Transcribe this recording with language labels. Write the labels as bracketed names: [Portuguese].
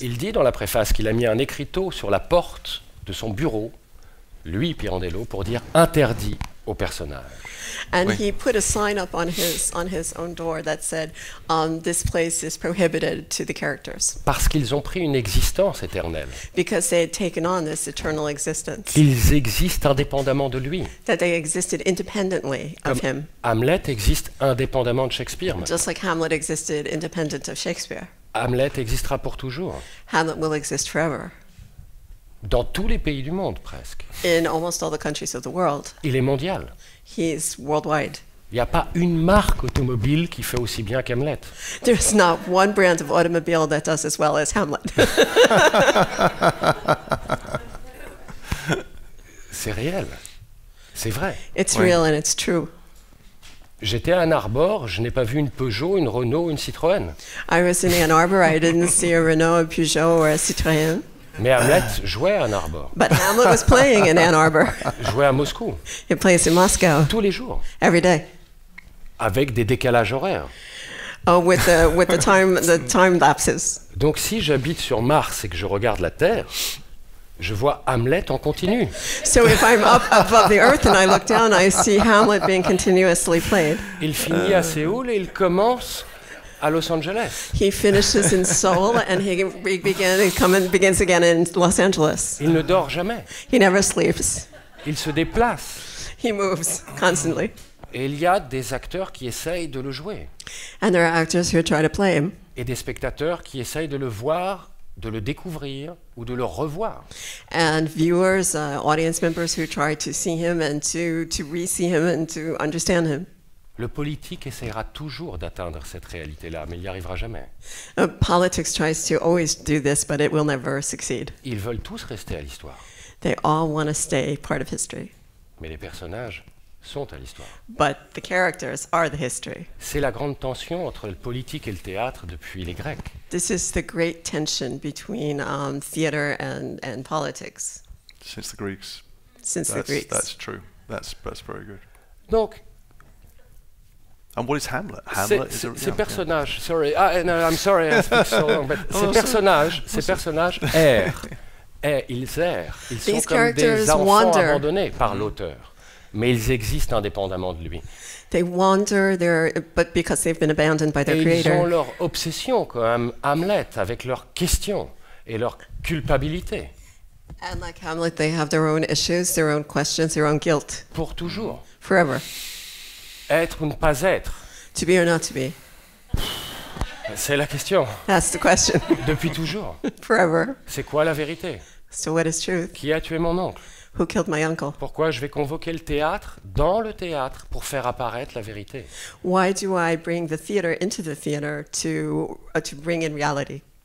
[French] Il dit dans la préface qu'il a mis un écriteau sur la porte de son bureau, lui, Pirandello, pour dire « interdit au personnage ». [English] And oui. He put a sign up on his own door that said this place is prohibited to the characters. [French] Parce qu'ils ont pris une existence éternelle. [English] Because they had taken on this eternal existence. [French] Ils existent indépendamment de lui. [English] That they existed independently of him. [French] Hamlet existe indépendamment de Shakespeare. [English] Just like Hamlet existed independent of Shakespeare. [French] Hamlet existera pour toujours. [English] Hamlet will exist forever. [French] Dans tous les pays du monde, presque. [English] In almost all the countries of the world. [French] Il est mondial. [English] He's worldwide. [French] Il n'y a pas une marque automobile qui fait aussi bien qu'Hamlet. [English] There's not one brand of automobile that does as well as Hamlet. [French] C'est réel. C'est vrai. [English] It's ouais. Real and it's true. [French] J'étais à Ann Arbor, je n'ai pas vu une Peugeot, une Renault, une Citroën. [English] I was in Ann Arbor, I didn't see a Renault, a Peugeot or a Citroën. [French] Mais Hamlet jouait à Ann Arbor. [English] But Hamlet was playing in Ann Arbor. [French] Jouait à Moscou. [English] He plays in Moscow. [French] Tous les jours. [English] Every day. [French] Avec des décalages horaires. [English] Oh, with the time lapses. [French] Donc si j'habite sur Mars et que je regarde la Terre, je vois Hamlet en continu. [English] So if I'm up above the Earth and I look down, I see Hamlet being continuously played. [French] Il finit à Séoul et il commence à Los Angeles. [English] He finishes in Seoul and he begins again in Los Angeles. [French] Il ne dort jamais. [English] He never sleeps. [French] Il se déplace. [English] He moves constantly. [French] Et il y a des acteurs qui essayent de le jouer. [English] And there are actors who try to play him. [French] Et des spectateurs qui essayent de le voir, de le découvrir ou de le revoir. [English] And viewers, audience members who try to see him and to re-see him and to understand him. [French] Le politique essaiera toujours d'atteindre cette réalité-là, mais il n'y arrivera jamais. [English] Politics tries to always do this, but it will never succeed. [French] Ils veulent tous rester à l'histoire. [English] They all want to stay part of history. [French] Mais les personnages sont à l'histoire. [English] But the characters are the history. [French] C'est la grande tension entre le politique et le théâtre depuis les Grecs. [English] This is the great tension between theater and politics. Since the Greeks. Since that's, the Greeks. That's true. That's very good. [French] Donc, [English] and what is Hamlet? Hamlet [French] c'est, [English] is a, ces yeah, personnages, yeah. Sorry, ah, no, I'm sorry, I speak so long, but [French] ces personnages, ces personnages errent, ils [English] errent, ils these [French] sont comme des enfants [English] wander. [French] Abandonnés par l'auteur, mais ils existent indépendamment de lui. [English] They wander, but because they've been abandoned by their [French] et [English] creator. [French] Ils ont leur obsession comme Hamlet, avec leurs questions et leur culpabilité. [English] And like Hamlet, they have their own issues, their own questions, their own guilt. [French] Pour toujours. [English] Forever. [French] Être ou ne pas être. [English] To be or not to be. [French] C'est la question. [English] That's the question. [French] Depuis toujours. [English] Forever. [French] C'est quoi la vérité? [English] So what is truth? [French] Qui a tué mon oncle? [English] Who killed my uncle? [French] Pourquoi je vais convoquer le théâtre dans le théâtre pour faire apparaître la vérité? [English] Why do I bring the theater into the theater to bring in reality?